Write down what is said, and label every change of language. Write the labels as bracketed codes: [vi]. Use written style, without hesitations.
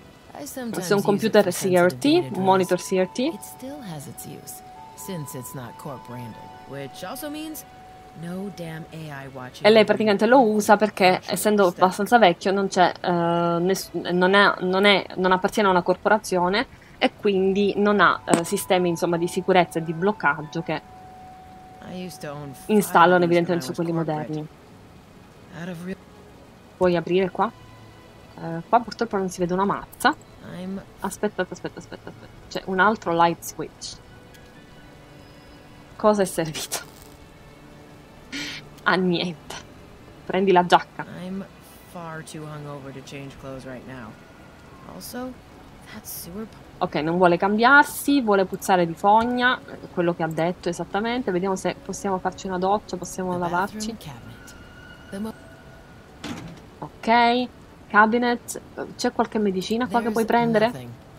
[it] Questo è un computer CRT, un monitor CRT. [en] It still has its use, since it's not corp-branded, which also means no damn AI watching. [it] E lei praticamente lo usa perché, essendo abbastanza vecchio, non c'è non appartiene a una corporazione e quindi non ha sistemi, insomma, di sicurezza e di bloccaggio che installano evidentemente su quelli moderni. Puoi aprire qua? Qua purtroppo non si vede una mazza. Aspetta. C'è un altro light switch. Cosa è servito? A niente. Prendi la giacca. [en] I'm far too hungover to change clothes right now. Also, that sewer. [it] Ok, non vuole cambiarsi, vuole puzzare di fogna, quello che ha detto esattamente. Vediamo se possiamo farci una doccia, possiamo lavarci. Ok, cabinet, c'è qualche medicina qua che puoi prendere?